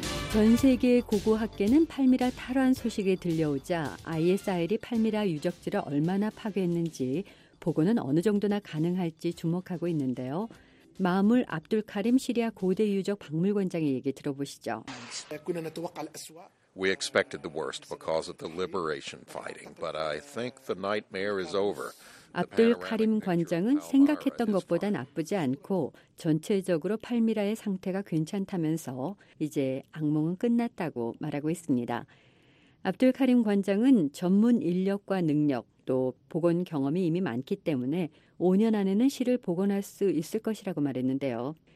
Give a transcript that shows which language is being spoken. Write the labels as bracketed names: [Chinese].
[Korean] 전 세계 고고 학계는 팔미라 탈환 소식이 들려오자 ISIL이 팔미라 유적지를 얼마나 파괴했는지 복원은 어느 정도나 가능할지 주목하고 있는데요. 마물 압둘카림 시리아 고대 유적 박물관장의 얘기 들어보시죠. [English] We expected the worst because of the liberation fighting, but I think the nightmare is over. [Korean] 압둘카림 관장은 생각했던 것보다 나쁘지 않고 전체적으로 팔미라의 상태가 괜찮다면서 이제 악몽은 끝났다고 말하고 있습니다. 압둘카림 관장은 전문 인력과 능력 또 복원 경험이 이미 많기 때문에 5년 안에는 시를 복원할 수 있을 것이라고 말했는데요.